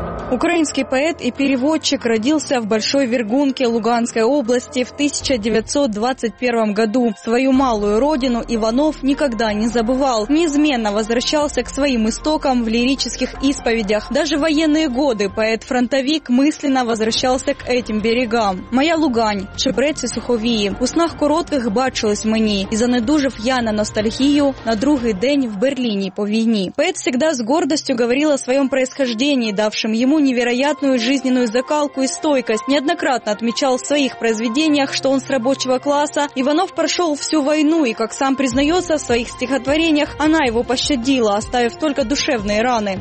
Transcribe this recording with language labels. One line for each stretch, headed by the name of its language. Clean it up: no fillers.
Russian: Украинский поэт и переводчик родился в Большой Вергунке Луганской области в 1921 году. Свою малую родину Иванов никогда не забывал. Неизменно возвращался к своим истокам в лирических исповедях. Даже в военные годы поэт-фронтовик мысленно возвращался к этим берегам.
Ukrainian: «Моя Лугань, чебреці суховії, у снах коротких бачились мені, і занедужив я на ностальгію на другий день в Берліні по війні».
Russian: Поэт всегда с гордостью говорил о своем происхождении, давшем ему невероятную жизненную закалку и стойкость. Неоднократно отмечал в своих произведениях, что он с рабочего класса. Иванов прошел всю войну и, как сам признается в своих стихотворениях, она его пощадила, оставив только душевные раны.